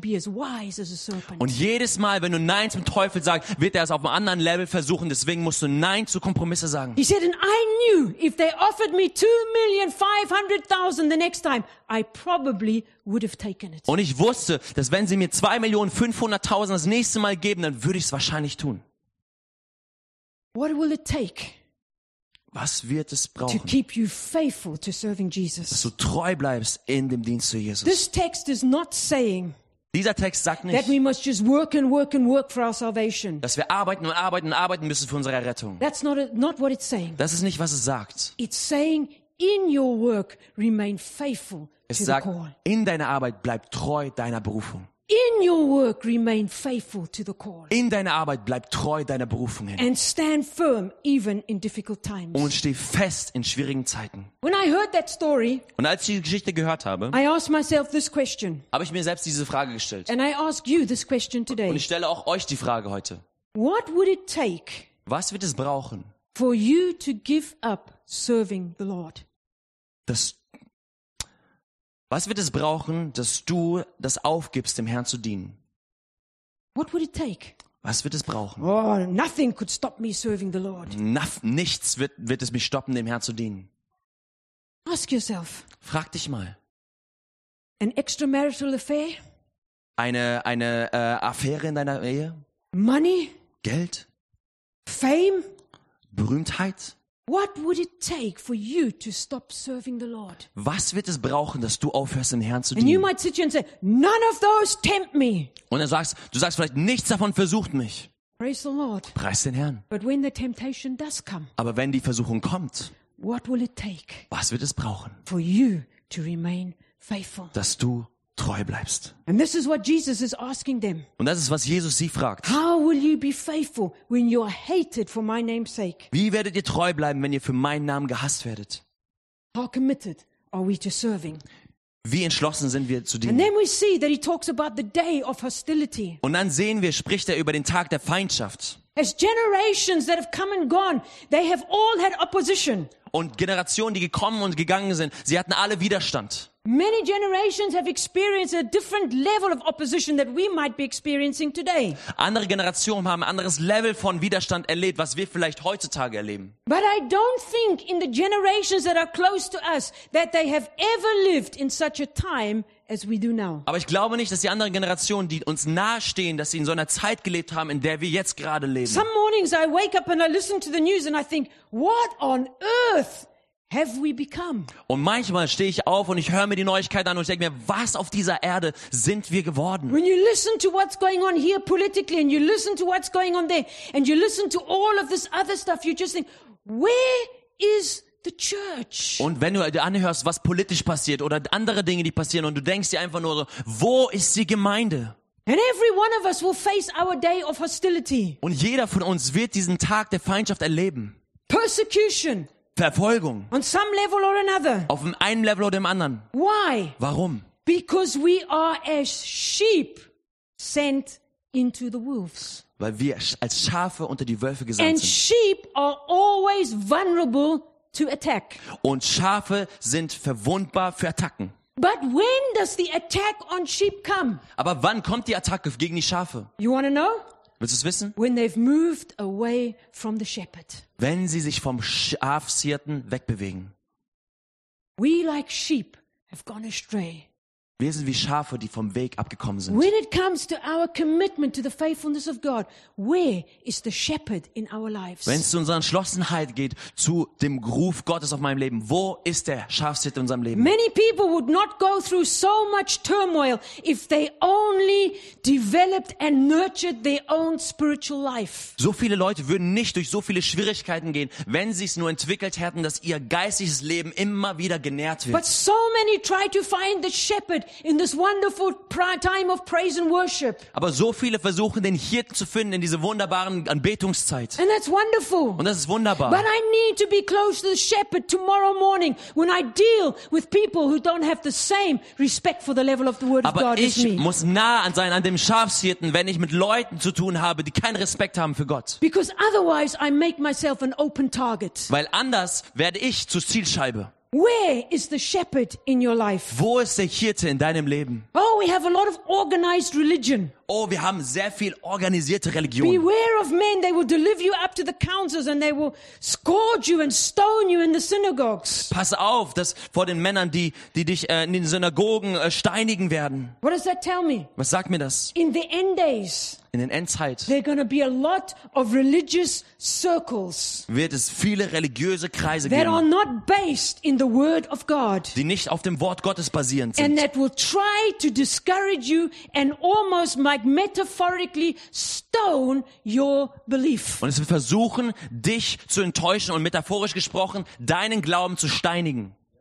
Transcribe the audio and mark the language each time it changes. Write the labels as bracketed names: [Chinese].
[English] be as wise as a serpent. [German] Und jedes Mal, wenn du Nein zum Teufel sagst, wird er es auf einem anderen Level versuchen. Deswegen musst du Nein zu Kompromisse sagen. [English] He said, and I knew if they offered me 2,500,000 the next time, I probably would have taken it. [German] Und ich wusste, dass wenn sie mir 2,500,000 das nächste Mal geben, dann würde ich es wahrscheinlich tun. [English] What will it take? [German] Was wird es brauchen? [English] To keep you faithful to serving Jesus. [German] Dass du treu bleibst in dem Dienst zu Jesus. [English] This text is not saying. [German] Dieser Text sagt nicht, [English] that we must just work and work and work for our salvation. [German] Dass wir arbeiten und arbeiten und arbeiten müssen für unsere Errettung. [English] That's not what it's saying. [German] Das ist nicht, was es sagt. [English] It's saying in your work remain faithful [German] es [English] to [German] sagt, [English] the call. [German] In deiner Arbeit bleib treu deiner Berufung. [English] In your work remain faithful to the call. [German] In deiner Arbeit bleib treu deiner Berufung hin. [English] And stand firm even in difficult times. [German] Und steh fest in schwierigen Zeiten. [English] When I heard that story, [German] und als ich die Geschichte gehört habe, [English] I asked myself this question. [German] Habe ich mir selbst diese Frage gestellt. [English] And I ask you this question today. [German] Und ich stelle auch euch die Frage heute. [English] What would it take? [German] Was wird es brauchen? [English] For you to give up serving the Lord. [German] Was wird es brauchen, dass du das aufgibst, dem Herrn zu dienen? [English] What would it take? [German] Was wird es brauchen? [English] Oh, nothing could stop me serving the Lord. [German] Nichts wird es mich stoppen, dem Herrn zu dienen. [English] Ask yourself. [German] Frag dich mal. [English] An extramarital affair? [German] Eine Affäre in deiner Ehe? [English] Money? [German] Geld? [English] Fame? [German] Berühmtheit? [English] What would it take for you to stop serving the Lord? [German] Was wird es brauchen, dass du aufhörst, dem Herrn zu dienen? [English] And you might sit here and say, none of those tempt me. [German] Und du sagst vielleicht, nichts davon versucht mich. [English] Praise the Lord. [German] Preis den Herrn. [English] But when the temptation does come. [German] Aber wenn die Versuchung kommt. [English] What will it take? [German] Was wird es brauchen? [English] For you to remain faithful. [German] Dass du treu bleibst. [English] And this is what Jesus is asking them. [German] Und das ist, was Jesus sie fragt. [English] How will you be faithful when you are hated for my name's sake? [German] Wie werdet ihr treu bleiben, wenn ihr für meinen Namen gehasst werdet? [English] How committed are we to serving? [German] Wie entschlossen sind wir zu dienen? [English] And then we see that he talks about the day of hostility. [German] Und dann sehen wir, spricht er über den Tag der Feindschaft. [English] As generations that have come and gone, they have all had opposition. [German] Und Generationen, die gekommen und gegangen sind, sie hatten alle Widerstand. [English] Many generations have experienced a different level of opposition that we might be experiencing today. [German] Andere Generationen haben ein anderes Level von Widerstand erlebt, was wir vielleicht heutzutage erleben. [English] But I don't think in the generations that are close to us that they have ever lived in such a time as we do now. [German] Aber ich glaube nicht, dass die anderen Generationen, die uns nahestehen, dass sie in so einer Zeit gelebt haben, in der wir jetzt gerade leben. [English] Some mornings I wake up and I listen to the news and I think, what on earth have we become? [German] Und manchmal stehe ich auf und ich höre mir die Neuigkeiten an und ich denke mir, was auf dieser Erde sind wir geworden? [English] When you listen to what's going on here politically and you listen to what's going on there and you listen to all of this other stuff, you just think, where is the church? [German] Und wenn du dir anhörst, was politisch passiert oder andere Dinge, die passieren und du denkst dir einfach nur so, wo ist die Gemeinde? [English] And every one of us will face our day of hostility. [German] Und jeder von uns wird diesen Tag der Feindschaft erleben. [English] Persecution. [German] Verfolgung. [English] On some level or another. [German] Auf einem Level oder dem anderen. [English] Why? [German] Warum? [English] Because we are as sheep sent into the wolves. [German] Weil wir als Schafe unter die Wölfe gesandt [English] and [German] sind. [English] And sheep are always vulnerable to attack. [German] Und Schafe sind verwundbar für Attacken. [English] But when does the attack on sheep come? [German] Aber wann kommt die Attacke gegen die Schafe? [English] You want to know? [German] Willst du es wissen? [English] When they've moved away from the shepherd. [German] Wenn sie sich vom Schafshirten wegbewegen. [English] We like sheep have gone astray. [German] Wir sind wie Schafe, die vom Weg abgekommen sind. [English] When it comes to our commitment to the faithfulness of God, where is the shepherd in our lives? [German] Wenn es zu unserer Entschlossenheit geht zu dem Ruf Gottes auf meinem Leben, wo ist der Schafshirte in unserem Leben? [English] Many people would not go through so much turmoil if they only developed and nurtured their own spiritual life. [German] So viele Leute würden nicht durch so viele Schwierigkeiten gehen, wenn sie es nur entwickelt hätten, dass ihr geistiges Leben immer wieder genährt wird. [English] But so many try to find the shepherd in this wonderful time of praise and worship. [German] Aber so viele versuchen den Hirten zu finden in dieser wunderbaren Anbetungszeit. [English] And that's wonderful. [German] Und das ist wunderbar. [English] But I need to be close to the shepherd tomorrow morning when I deal with people who don't have the same respect for the level of the word [German] aber [English] of God as me. [German] Aber ich muss nah an sein an dem Schafshirten, wenn ich mit Leuten zu tun habe, die keinen Respekt haben für Gott. [English] Because otherwise I make myself an open target. [German] Weil anders werde ich zur Zielscheibe. [English] Where is the shepherd in your life? [German] Wo ist der Hirte in deinem Leben? [English] Oh, we have a lot of organized religion. [German] Oh, wir haben sehr viel organisierte Religion. [English] Beware of men, they will deliver you up to the councils and they will scourge you and stone you in the synagogues. [German] Pass auf, dass vor den Männern, die dich in den Synagogen steinigen werden. [English] What does that tell me? [German] Was sagt mir das? [English] In the end days. [German] In den Endzeit. [English] There are going to be a lot of religious circles. [German] Wird es viele religiöse Kreise [English] that [German] geben. [English] That are not based in the word of God. [German] Die nicht auf dem Wort Gottes basierend sind. [English] And that will try to discourage you and almost like metaphorically stone your belief. [German] Und es wird versuchen, dich zu enttäuschen und metaphorisch gesprochen, deinen Glauben zu steinigen.